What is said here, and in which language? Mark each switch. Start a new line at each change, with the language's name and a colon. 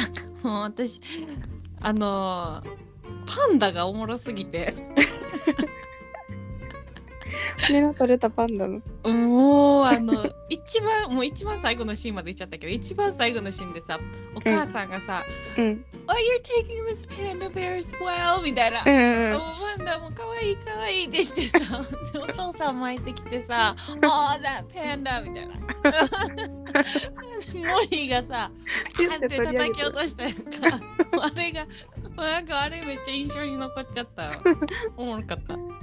Japanese: んかもう私パンダがおもろすぎて目が取れたパンダの、もうあの一番もう一番最後のシーンまで言っちゃったけど、一番最後のシーンでさ、お母さんがさ、うん、
English: Oh, you're taking this panda bear as well
Japanese: みたいな、うん、パンダもかわいいかわいいでしてさでお父さん巻いてきてさ
English: Oh, that panda
Japanese: みたいなモリーがさパンって叩き落としたやんかあれがなんかあれめっちゃ印象に残っちゃった、おもろかった